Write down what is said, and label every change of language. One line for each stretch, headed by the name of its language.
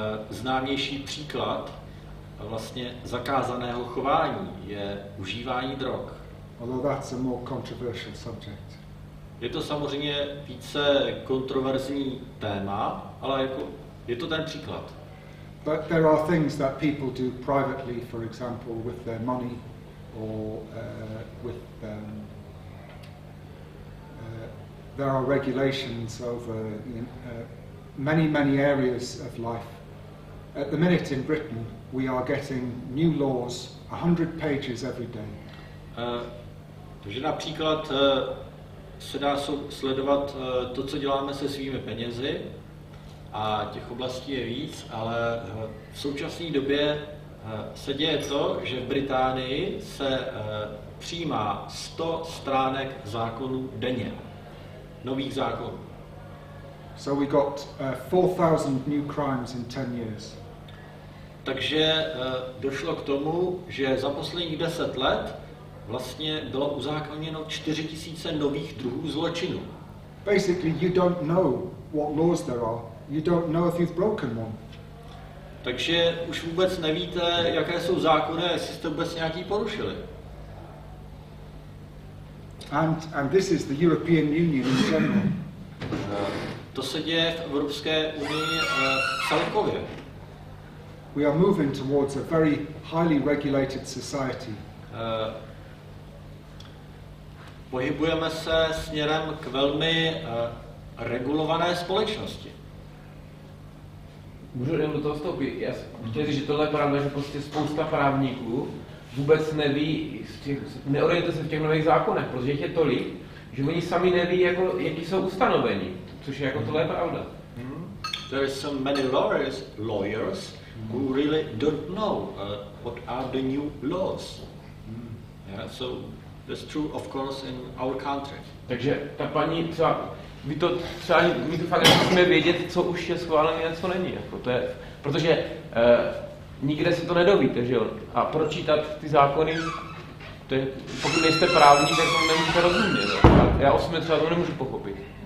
Czech: Známější příklad vlastně zakázaného chování je užívání drog.
English: Although that's a more controversial subject.
Czech: Je to samozřejmě více kontroverzní téma, ale jako je to ten příklad.
English: But there are things that people do privately, for example, with their money or with them. There are regulations over many areas of life. At the minute in Britain, we are getting new laws, 100 pages every day.
Czech: Takže například se dá sledovat to, co děláme se svými penězi, a těch oblastí je víc, ale v současné době se děje to, že v Británii se přijímá 100 stránek zákonů denně, nových zákonů.
English: So we got 4000 new crimes in 10 years.
Czech: Takže došlo k tomu, že za posledních 10 let vlastně bylo uzákoněno 4000 nových druhů zločinů.
English: Basically you don't know what laws there are. You don't know if you've broken one.
Czech: Takže už vůbec nevíte, jaké jsou zákony, jestli jste vůbec nějaký porušili.
English: And this is the European Union in general.
Czech: To se děje v Evropské unii celkově.
English: We are moving towards a very highly regulated society.
Czech: Pohybujeme se směrem k velmi regulované společnosti. Můžu jenom do toho vstoupit. Já chtěl říct, že tohle je pravda, že prostě spousta právníků vůbec neví, neorientuje se v těch nových zákonech, protože jich je tolik, že oni sami neví, jako, jaký jsou ustanovení, což je jako tohle je pravda.
English: There are so many lawyers who really don't know what are the new laws. Yeah, so that's true, of course, in our country.
Czech: Takže ta paní třeba... My to třeba, my to fakt musíme vědět, co už je schválené a co není, jako to je, protože nikde se to nedovíte, že jo, a pročítat ty zákony, to je, pokud nejste právní, tak to nemůžete rozumět, já osobně třeba to nemůžu pochopit.